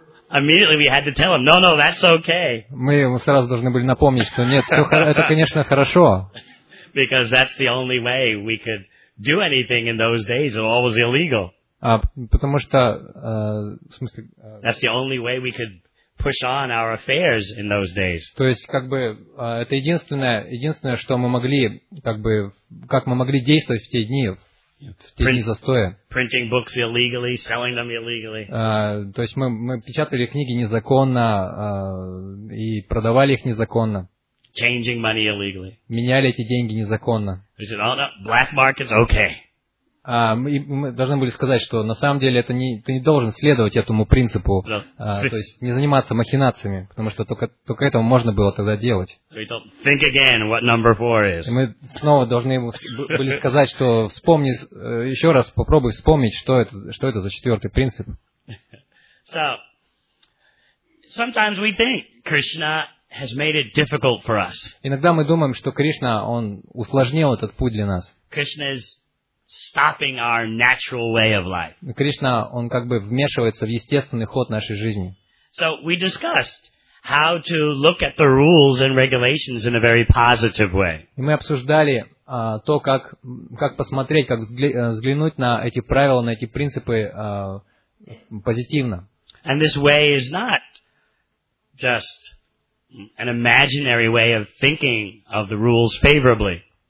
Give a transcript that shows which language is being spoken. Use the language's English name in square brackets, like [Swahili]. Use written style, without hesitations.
[English] Immediately we had to tell him, no, that's okay. [Russian] Мы ему сразу должны были напомнить, что нет, это конечно хорошо. [English] Because that's the only way we could do anything in those days. It all was illegal. [Russian] Потому что в смысле. [English] That's the only way we could push on our affairs in those days. [Russian] То есть, как бы, это единственное, что мы могли, как бы, как мы могли действовать в те дни застоя. [English] Printing books illegally, selling them illegally. [Russian] То есть мы печатали книги незаконно и продавали их незаконно. [English] Changing money illegally. [Russian] Меняли эти деньги незаконно. [English] We said, oh, no, black market's okay. [Russian] Мы должны были сказать, что на самом деле это ты не должен следовать этому принципу, то есть не заниматься махинациями, потому что только этого можно было тогда делать. И мы снова должны были сказать, что вспомни, еще раз попробуй вспомнить, что это за четвертый принцип. [English] So, sometimes we think Krishna has made it difficult for us. [Russian] Иногда мы думаем, что Кришна, он усложнил этот путь для нас. [English] Stopping our natural way of life. [Russian] Кришна, он как бы вмешивается в естественный ход нашей жизни. [English] So we discussed how to look at the rules and regulations in a very positive way. [Russian] Мы обсуждали то, как посмотреть, как взглянуть на эти правила, на эти принципы позитивно. [English] And this way is not just an imaginary way of thinking of the rules favorably.